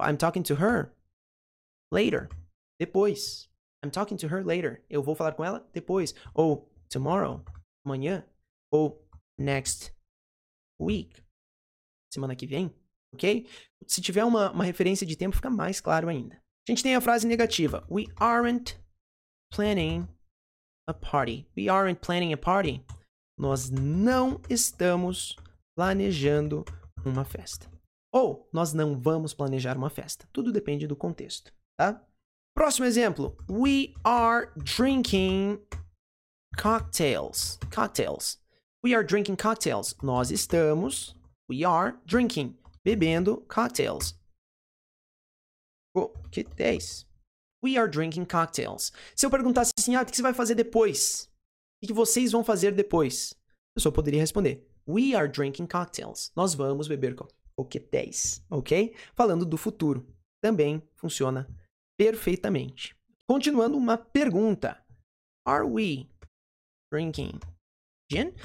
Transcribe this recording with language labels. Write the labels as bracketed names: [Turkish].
[English] I'm talking to her later. Depois. I'm talking to her later. [Portuguese] Eu vou falar com ela depois. Ou tomorrow. Amanhã. Ou next week. Semana que vem. Ok? Se tiver uma referência de tempo, fica mais claro ainda. A gente tem a frase negativa. [English] We aren't planning a party. We aren't planning a party. [Portuguese] Nós não estamos planejando uma festa. Ou nós não vamos planejar uma festa. Tudo depende do contexto, tá? Próximo exemplo. [English] We are drinking cocktails. Cocktails. We are drinking cocktails. [Portuguese] Nós estamos, [English] we are drinking, bebendo cocktails. [Portuguese] Que é isso? [English] We are drinking cocktails. [Portuguese] Se eu perguntasse assim, ah, o que você vai fazer depois? O que vocês vão fazer depois? A pessoa poderia responder, [English] we are drinking cocktails. [Portuguese] Nós vamos beber coquetéis, ok? Falando do futuro, também funciona perfeitamente. Continuando uma pergunta. [English] Are we drinking gin?